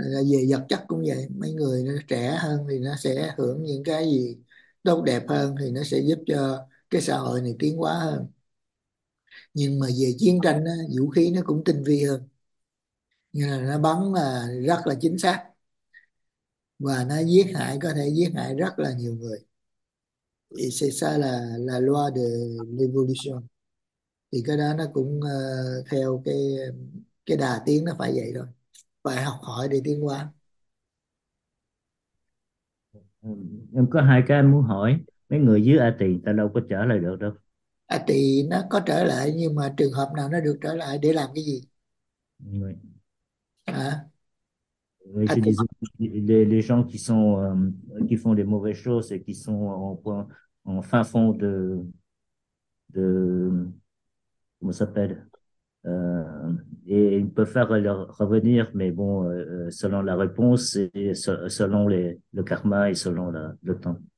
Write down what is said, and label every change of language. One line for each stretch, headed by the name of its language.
Vietnamese: Về vật chất cũng vậy, mấy người nó trẻ hơn thì nó sẽ hưởng những cái gì tốt đẹp hơn, thì nó sẽ giúp cho cái xã hội này tiến hóa hơn. Nhưng mà về chiến tranh á, vũ khí nó cũng tinh vi hơn, như là nó bắn là rất là chính xác và nó giết hại, có thể giết hại rất là nhiều người. Thì
French: c'est ça là loi de l'évolution.
Vietnamese: Thì cái đó nó cũng theo cái đà tiến, nó phải vậy thôi, phải học hỏi để tiến hóa. Em có hai cái em muốn hỏi. Mấy người dưới A Tỳ ta đâu có trở lại được đâu. À, thì nó có trở lại, nhưng mà trường hợp nào nó được trở lại để làm cái gì Người hả? Người chỉ
French: les gens qui sont qui font des mauvaises choses et qui sont en fin fond de comment ça s'appelle et ils peuvent faire leur revenir, mais bon, selon la réponse et selon le karma et selon le temps.